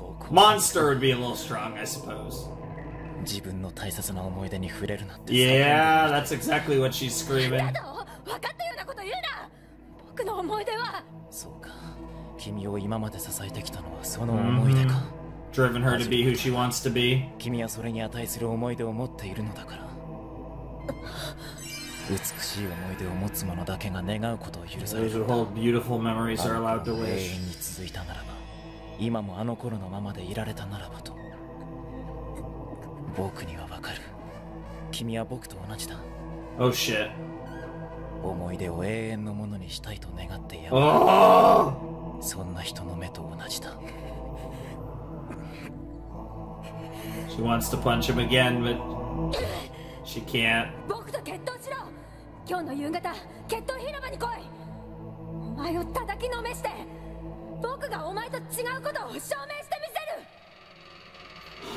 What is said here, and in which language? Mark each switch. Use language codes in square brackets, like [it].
[en] Monster would be a little strong, I suppose. [ja] 自分の大切な思い出に触れるなんて。 [en] Yeah, that's exactly what she's screaming. [ja] だと、分かったようなこと言うな。僕の思い出は。そうか。君を今まで支えてきたのはその思い出か。 [en] Driven her to be who she wants to be. [ja] 君はそれに値する思い出を持っているのだから。美しい思い出を持つ者だけが願うことを許される。 [en] Those whole beautiful memories are allowed to wish. [ja] 永遠に続いたならば、今もあの頃のままでいられたならばと。僕にはわかる。君は僕と同じだ。 [en] Oh shit. [ja] 思い出を永遠のものにしたいと願ってや [en] る。Oh! [ja] そんな人の目と同じだ。 [en] She wants to punch him again, but she can't. [ja] 僕と決闘しろ。今日の夕方、決闘広場に来い。お前を叩きのめして、僕がお前と違うことを証明してみせる。